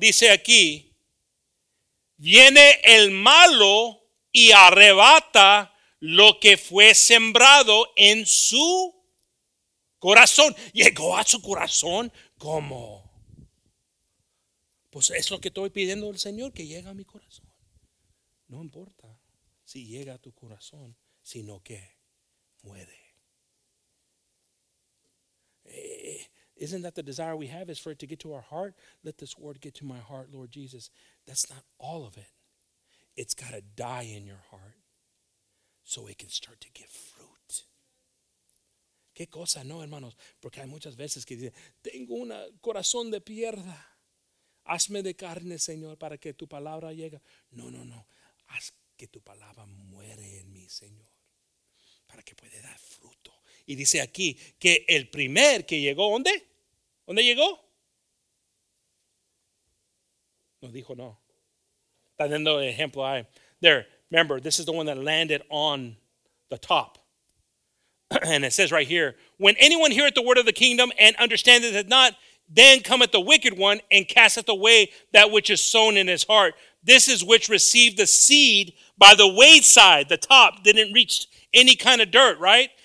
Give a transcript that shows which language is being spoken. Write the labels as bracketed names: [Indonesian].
[Spanish] Dice aquí, viene el malo y arrebata lo que fue sembrado en su corazón. Llegó a su corazón, ¿cómo? Pues es lo que estoy pidiendo al Señor, que llegue a mi corazón. No importa si llega a tu corazón, sino que muere. [English] Isn't that the desire we have, is for it to get to our heart? Let this word get to my heart, Lord Jesus. That's not all of it. It's got to die in your heart so it can start to give fruit. [Spanish] ¿Qué cosa no, hermanos? Porque hay muchas veces que dicen, tengo un corazón de piedra. Hazme de carne, Señor, para que tu palabra llegue. No, no, no. Haz que tu palabra muere en mí, Señor, para que pueda dar fruto. Y dice aquí que el primer que llegó, ¿dónde? ¿Dónde llegó? Nos dijo no. Está dando el ejemplo ahí. [English] There, remember, this is the one that landed on the top. And it says right here, when anyone heareth the word of the kingdom and understandeth it not, then cometh the wicked one and casteth away that which is sown in his heart. This is which received the seed by the wayside, the top, didn't reach any kind of dirt, right?